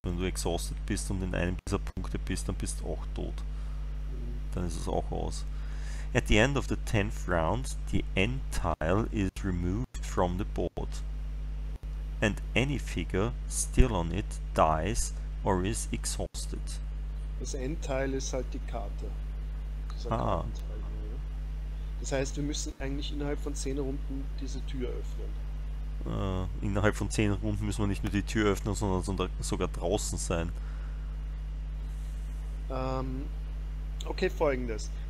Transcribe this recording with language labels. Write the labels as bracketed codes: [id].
[de] Wenn du exhausted bist und in einem dieser Punkte bist, dann bist du auch tot. Dann ist es auch aus. [en] At the end of the 10th round, the end tile is removed from the board. And any figure still on it dies or is exhausted. [de] Das Endteil ist halt die Karte. Ah. Das heißt, wir müssen eigentlich innerhalb von 10 Runden diese Tür öffnen. Innerhalb von 10 Runden müssen wir nicht nur die Tür öffnen, sondern sogar draußen sein. Okay, folgendes.